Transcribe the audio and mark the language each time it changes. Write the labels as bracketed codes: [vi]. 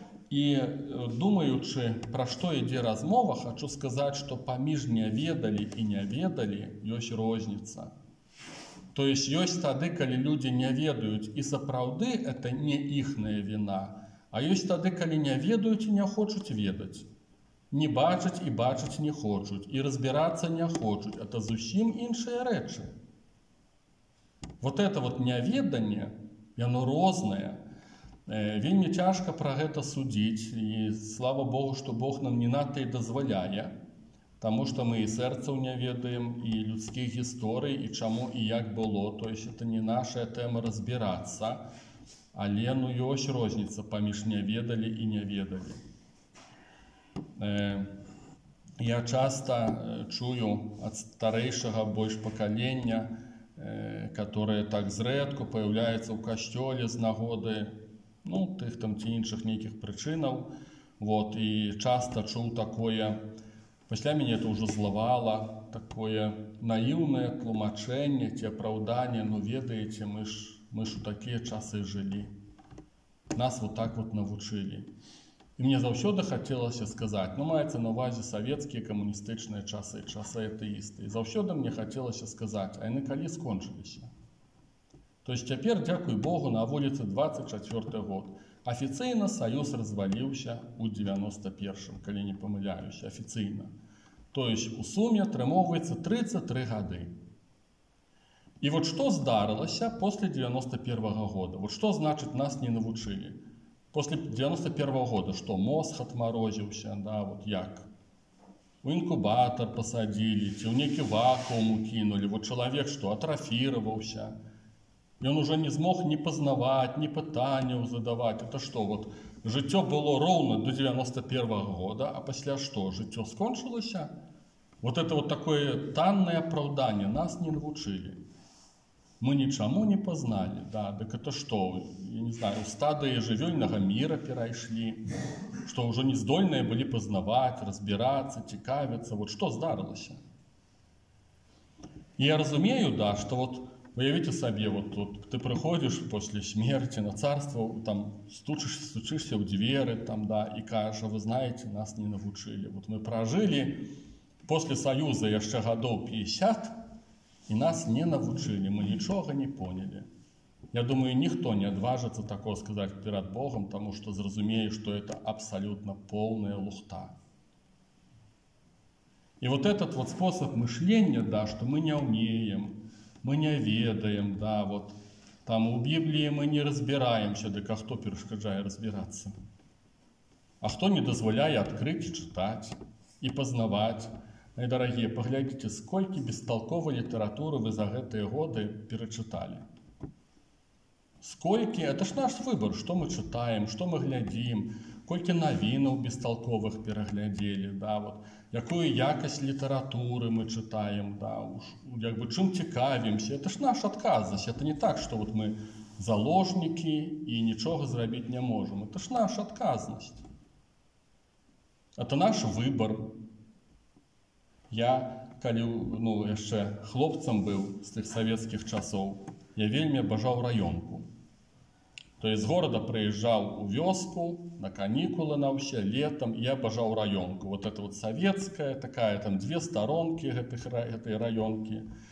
[be] І думаючы, пра што ідзе размова, хачу сказаць, што паміж не ведалі і не ведалі ёсць розніца. То есть ёсць тады, калі людзі не ведаюць, і сапраўды это не іхняя віна, а ёсць тады, калі не ведаюць і не хочуць ведаць. Не бачыць і бачыць не хочуць, і разбірацца не хочуць. Это зусім іншыя рэчы. Вот это вот няведанне, яно рознае. Вельмі цяжка пра гэта судзіць, і слава Богу, што Бог нам не надта і дазваляе. Таму што мы і сэрцаў не ведаем, і людскіх гісторый, і чаму, і як было. То есть это не наша тэма разбірацца, але ну ёсць розніца паміж няведалі і няведалі. Я часта чую ад старэйшага больш пакалення, которое так зрэдку паяўляецца ў касцёле з нагоды, ну, тых там ці іншых нейкіх прычынаў. Вот, і часта чуў такое, пасля мяне это ўжо злавала, такое наіўнае тлумачэнне ці апраўданне, ну, ведаеце, мы ж у такія часы жылі. Нас вот так вот навучылі. І мне заўсёды хацелася сказаць, ну, маецца на ўвазе савецкія камуністычныя часы, часы атэісты. І заўсёды мне хацелася сказаць, а яны калі скончыліся? То есть цяпер, дзякуй Богу, на вуліцы 24 год. Афіцыйна Саюз разваліўся ў 91-м, калі не памыляюся, афіцыйна. То есть у суме атрымоўваецца 33 гады. І вот што здарылася после 91-го года? Вот што значыць нас не навучылі? [ru] После 91-го года, что мозг отморозился, да, вот як? У инкубатор посадили, у некий вакуум кинули, вот человек что, атрофировался. И он уже не смог ни познавать, ни пытанию задавать. Это что, вот житё было ровно до 91-го года, а после что, житё скончилось? Вот это вот такое танное оправдание, нас не научили. [be] Мы нічаму не пазналі, да, дык это што, я не знаю, стадыі жывёльнага міра перайшлі, што ўжо не здольныя былі пазнаваць, разбірацца, цікавіцца, вот што здарылася. І я разумею, да, што вот, уявіце сабе, вот тут ты прыходзіш пасля смерці на царство, там стучышся ў дзверы, там, да, і кажа, вы знаеце, нас не навучылі. Вот мы пражылі пасля Саюза яшчэ гадоў 50, і нас не навучылі, мы нічога не понялі. Я думаю, ніхто не адважыцца такого сказаць перад Богам, таму што зразумее, што это абсалютна поўная лухта. І вот этот вот спосаб мышлення, да, што мы не ўмеем, мы не ведаем, да, вот, там у Біблії мы не разбіраемся, дык а хто перашкаджае разбірацца? А хто не дазваляе адкрыць, чытаць і пазнаваць? [ru] Мои дорогие, поглядите, сколько бестолковой литературы вы за гэтые годы перечитали. Сколько, это ж наш выбор, что мы читаем, что мы глядим, сколько новинок бестолковых переглядели, да, вот. Какую якость литературы мы читаем, да, уж, как бы, чем цікавимся, это ж наш отказность, это не так, что вот мы заложники и ничего сделать не можем, это ж наша отказность, это наш выбор. [be] Я, калі, ну, яшчэ хлопцам быў з тых савецкіх часоў, я вельмі бажаў раёнку. То есть з горада прыязджаў у вёску, на канікулы на ўсе, летам, я бажаў раёнку. Вот это вот савецкая, такая там дзве старонкі гэтай раёнкі.